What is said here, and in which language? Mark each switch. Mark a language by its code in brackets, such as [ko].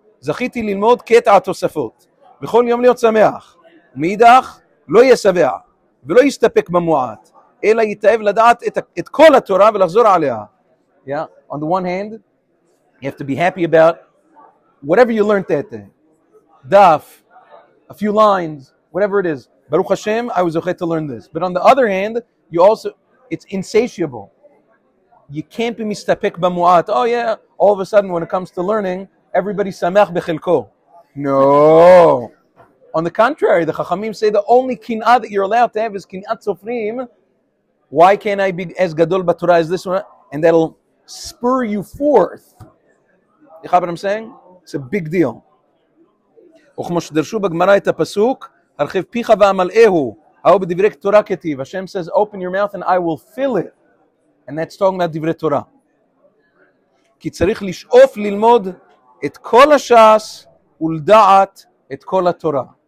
[he] זכיתי ללמוד קטע התוספות, בכל יום להיות שמח. מאידך, לא יהיה שבע, ולא יסתפק במועט, אלא יתאהב לדעת את כל התורה ולחזור עליה. [en] Yeah, on the one hand, you have to be happy about whatever you learned that day. Daf, a few lines, whatever it is. Baruch Hashem, I was okay to learn this. But on the other hand, you also, it's insatiable. You can't be [he] מסתפק במועט. [en] Oh yeah, all of a sudden when it comes to learning, everybody samech bechelko. No. On the contrary, the Chachamim say the only kin'ah that you're allowed to have is kin'ah tzofrim. Why can't I be as gadol b'torah as this one? And that'll spur you forth. You know what I'm saying? It's a big deal. [he] וכמו שדרשו בגמרא את הפסוק, הרחב פיך ואמלאהו, או בדברי תורה כתיב. [en] Hashem says, open your mouth and I will fill it. And that's talking about דברי תורה. [he] כי צריך לשאוף ללמוד את כל השעס ולדעת את כל התורה.